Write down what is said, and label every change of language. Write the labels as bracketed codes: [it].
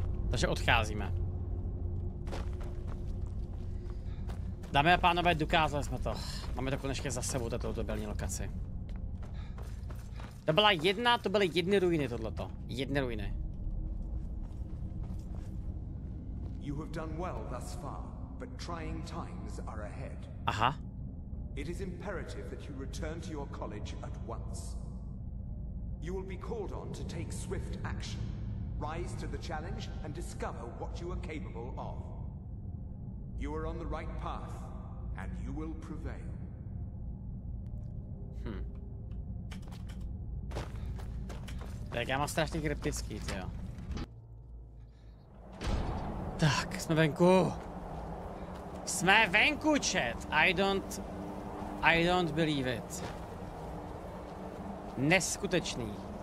[cs] Takže odcházíme. Dámy a pánové, dokázali jsme to. Máme to konečně za sebou, tato odobelní lokaci. To byla jedna, to byly jedny ruiny tohleto. Jedny ruiny. [en] You have done well thus far, but trying times are ahead. [cs] Aha. [en] It is imperative that you return to your college at once. You will be called on to take swift action. Rise to the challenge and discover what you are capable of. You are on the right path, and you will prevail. [cs] Tak já mám strašně kryptický, tyjo. Tak, jsme venku. Jsme venku, chat. [en] I don't believe it. [cs] Neskutečný.